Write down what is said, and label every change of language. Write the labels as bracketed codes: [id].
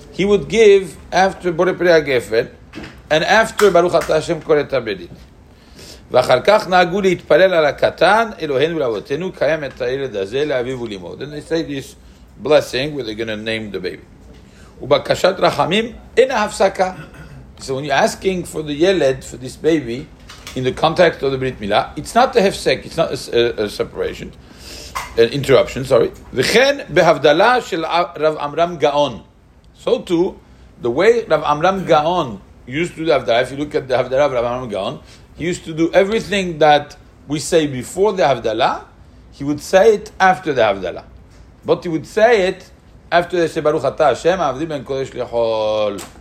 [en] He would give after borei pri hagefen and after baruch atah Hashem koret haberit. [he] ואחר כך נהגו להתפלל על הקטן, אלוהינו ולאבותינו, קיים את הילד הזה לאביו ולאמו. [en] Then they say this blessing, where they're going to name the baby. [he] ובקשת רחמים, אין ההפסקה. [en] So when you're asking for the ילד, for this baby, in the context of the ברית מילה, it's not a הפסק, it's not a separation, an interruption, sorry. [he] וכן בהבדלה של רב עמרם גאון. [en] So too, the way רב עמרם גאון used to do the הבדלה, if you look at the הבדלה of רב עמרם גאון, he used to do everything that we say before the Havdalah, he would say it after the Havdalah. But he would say it after the Shebaruch Atah Hashem, Avdi Ben Kodesh Lichol.